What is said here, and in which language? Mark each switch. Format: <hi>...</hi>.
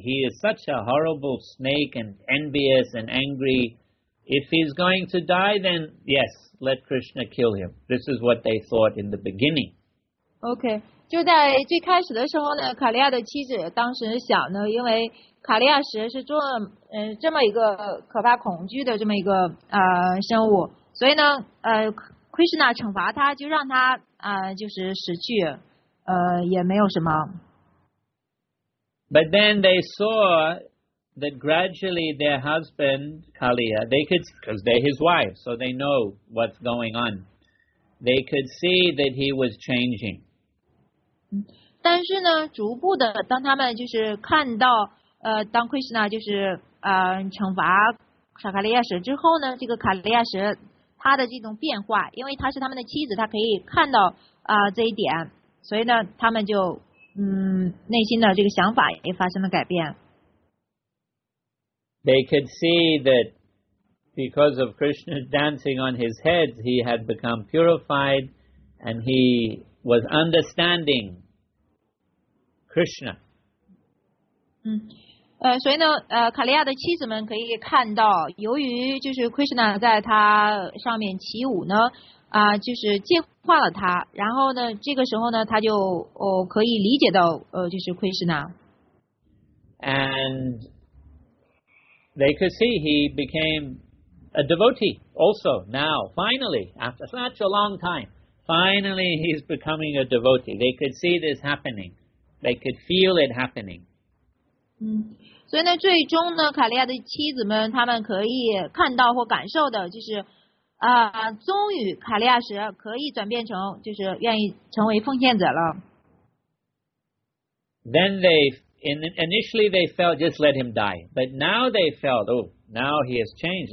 <en>He is such a horrible snake and envious and angry. If he's going to die, then yes, let Krishna kill him. This is what they thought in the beginning. Okay.</en> <zh>就在最开始的时候呢，卡利亚的妻子当时想呢，因为卡利亚实是做这么一个可怕恐惧的这么一个生物，所以呢Krishna 惩罚他就让他就是死去也没有什么。</zh> <en>But then they saw that gradually their husband Kaliya, they could, because they're his wife, so they know what's going on. They could see that he was changing.</en> <zh>但是呢，逐步的，当他们就是看到，当 Krishna 就是惩罚沙卡利亚什之后呢，这个卡利亚什他的这种变化，因为他是他们的妻子，他可以看到这一点，所以呢，他们就内心的这个想法也发生了改变。</zh> <en>They could see that because of Krishna dancing on his head, he had become purified, and he. Was understanding Krishna.</en> <zh>所以呢，卡利亚的妻子们可以看到，由于就是 Krishna 在他上面起舞呢，就是净化了他。然后呢，这个时候呢，他就可以理解到就是 Krishna.</zh> <en>And they could see he became a devotee. Also, now, finally, after such a long time. Finally, he's becoming a devotee. They could see this happening. They could feel it happening.</en> <zh>所以呢，最终呢，卡利亚的妻子们，他们可以看到或感受的，就是终于卡利亚时可以转变成，就是愿意成为奉献者了。</zh> <en>Then they initially they felt just let him die, but now they felt, oh, now he has changed.</en>